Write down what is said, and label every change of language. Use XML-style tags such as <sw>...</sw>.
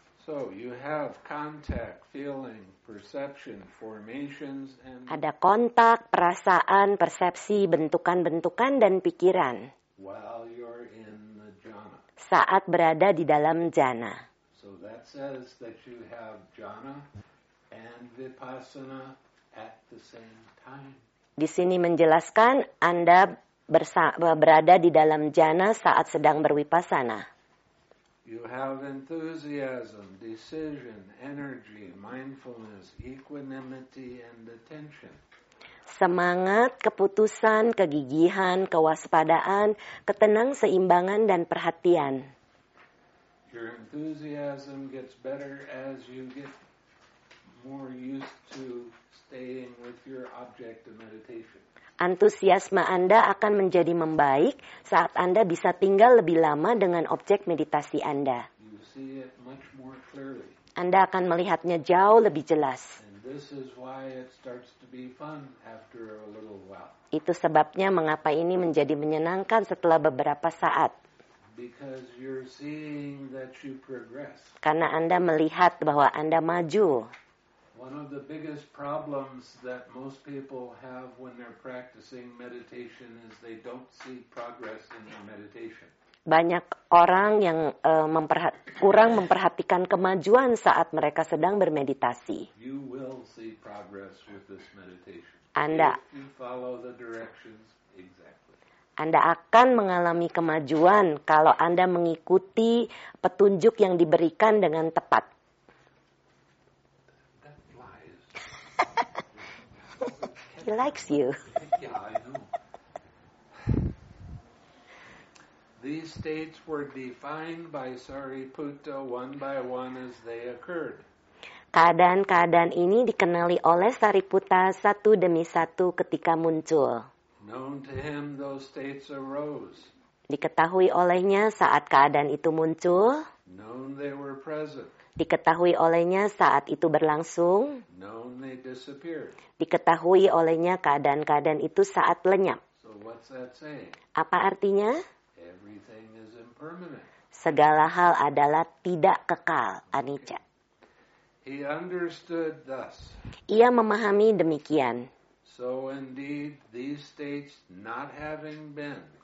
<en>So you have contact, feeling, perception, formations, and</en> <id>ada kontak, perasaan, persepsi, bentukan-bentukan, dan pikiran.</id> <en>While you're in the jhana.</en> <id>Saat berada di dalam jhana.</id> <en>So that says that you have jhana and vipassana at the same time.</en> <id>Di sini menjelaskan Anda berada di dalam jhana saat sedang berwipassana.</id> <en>You have enthusiasm, decision, energy, mindfulness, equanimity, and attention.</en> <id>Semangat, keputusan, kegigihan, kewaspadaan, ketenang seimbangan, dan perhatian.</id> <en>Your enthusiasm gets better as you get more used to staying with your object of meditation.</en> <id>Antusiasme Anda akan menjadi membaik saat Anda bisa tinggal lebih lama dengan objek meditasi Anda.</id> <en>You see it much more clearly.</en> <id>Anda akan melihatnya jauh lebih jelas.</id> <en>And this is why it starts to be fun after a little while.</en> <id>Itu sebabnya mengapa ini menjadi menyenangkan setelah beberapa saat.</id> <en>Because you're seeing that you progress.</en> <id>Karena Anda melihat bahwa Anda maju.</id> <en>One of the biggest problems that most people have when they're practicing meditation is they don't see progress in their meditation.</en> <id>Banyak orang yang kurang memperhatikan kemajuan saat mereka sedang bermeditasi.</id> <en>You will see progress with this meditation.</en> <id>Anda,</id> <en>if you follow the directions exactly.</en> <id>Anda akan mengalami kemajuan kalau Anda mengikuti petunjuk yang diberikan dengan tepat.</id> <en>He likes you. Yeah, I know. These states were defined by Sariputta one by one as they occurred.</en> <id>Keadaan-keadaan ini dikenali oleh Sariputta satu demi satu ketika muncul.</id> <en>Known to him, those states arose.</en> <id>Diketahui olehnya saat keadaan itu muncul.</id> <en>Known they were present.</en> <id>Diketahui olehnya saat itu berlangsung.</id> <en>Known they disappeared.</en> <id>Diketahui olehnya keadaan-keadaan itu saat lenyap.</id> <en>So what's that saying?</en> <id>Apa artinya?</id> <en>Everything is impermanent.</en> <id>Segala hal adalah tidak kekal, anicca.</id> <en>He understood thus.</en> <id>Ia memahami demikian.</id> <en>So indeed, these states not having been.</en>